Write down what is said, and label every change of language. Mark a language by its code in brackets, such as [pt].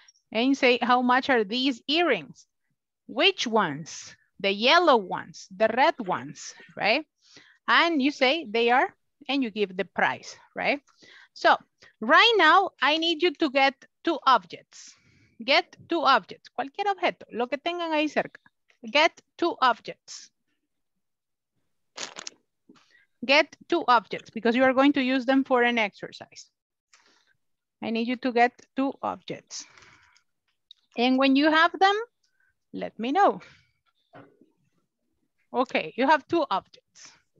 [en] And you say, how much are these earrings? Which ones? The yellow ones, the red ones, right? And you say they are, and you give the price, right? So right now I need you to get two objects. Get two objects, [es] cualquier objeto, lo que tengan ahí cerca. [en] Get two objects. Get two objects because you are going to use them for an exercise. I need you to get two objects. And when you have them, let me know. Okay, you have two objects.